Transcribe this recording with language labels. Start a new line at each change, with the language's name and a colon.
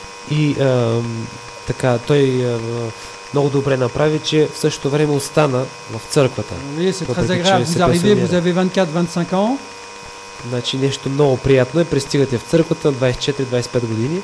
Bulgarian: И така, той много добре направи, че в същото време остана в църквата.
French: Oui, c'est très agréable. Vous arrivez, vous avez 24-25 ans.
Bulgarian: Значи нещо много приятно е, пристигате в църквата 24-25 години.